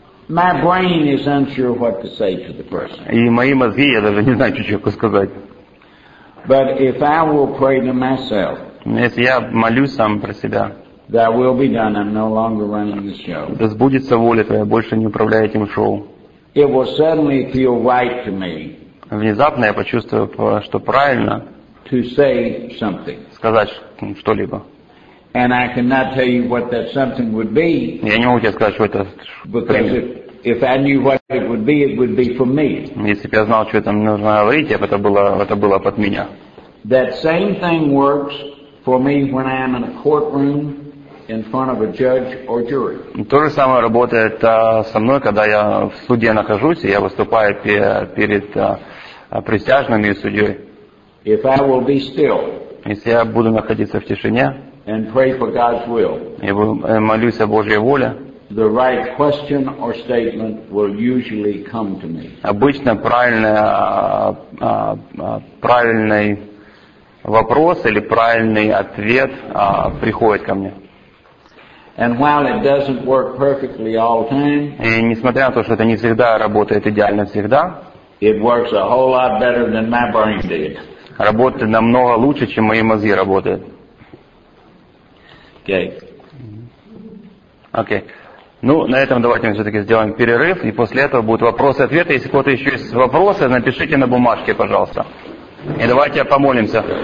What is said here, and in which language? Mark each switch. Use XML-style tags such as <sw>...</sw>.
<en>My brain is unsure what to say to the person.</en> <ru>И мои мозги, я даже не знаю, что человеку сказать.</ru> <en>But if I will pray to myself,</en> <ru>если я молюсь сам про себя,</ru> <en>that will be done. I'm no longer running the show.</en> <ru>Да сбудется воля твоя, больше не управляю этим шоу.</ru> <en>It will suddenly feel right to me.</en> <ru>Внезапно я почувствовал, что правильно.</ru> <en>To say something.</en> <ru>Сказать что-либо.</ru> <en>And I cannot tell you what that something would be.</en> <ru>Я не могу тебе сказать, что это.</ru> <en>Because if I knew what it would be for me.</en> <ru>Если бы я знал, что это нужно говорить, я бы это было под меня.</ru> <en>That same thing works for me when I am in a courtroom in front of a judge or jury.</en> <ru>То же самое работает со мной, когда я в суде нахожусь и я выступаю перед присяжными и судьей.</ru> <en>If I will be still.</en> <ru>Если я буду находиться в тишине.</ru> <en>And pray for God's will.</en> <ru>И молюсь о Божьей воле.</ru> <en>The right question or statement will usually come to me.</en> <ru>Обычно правильный вопрос или правильный ответ приходит ко мне.</ru> <en>And while it doesn't work perfectly all the time.</en> <ru>И несмотря на то, что это не всегда работает идеально всегда.</ru> <en>It works a whole lot better than my brain did.</en> <ru>Работает намного лучше, чем мои мозги работают. Окей. Ну, на этом давайте мы все-таки сделаем перерыв, и после этого будут вопросы и ответы. Если у кого-то еще есть вопросы, напишите на бумажке, пожалуйста. И давайте помолимся.</ru>